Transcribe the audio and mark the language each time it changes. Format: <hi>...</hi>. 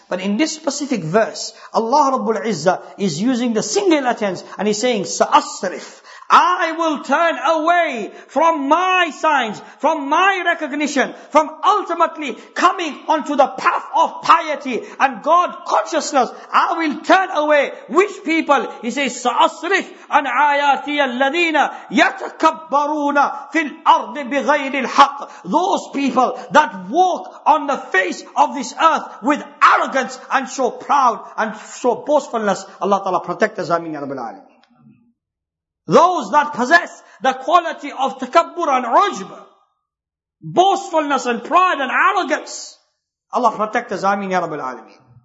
<en>But in this specific verse, Allah Rabbul Izzah is using the singular tense and he's saying, sa'asrif. I will turn away from my signs, from my recognition, from ultimately coming onto the path of piety and God consciousness. I will turn away which people? He says,</en> <ar>سَأَصْرِفْ عَنْ عَيَاتِيَ الَّذِينَ يَتَكَبَّرُونَ فِي الْأَرْضِ بِغَيْرِ الْحَقِّ.</ar> <en>Those people that walk on the face of this earth with arrogance and show proud and show boastfulness. Allah Ta'ala protect us. Ameen. Ya Rabbil Alameen. Those that possess the quality of takabbur and ujb, boastfulness and pride and arrogance. Allah protect us. Ameen. Ya Rabbil Alameen.</en>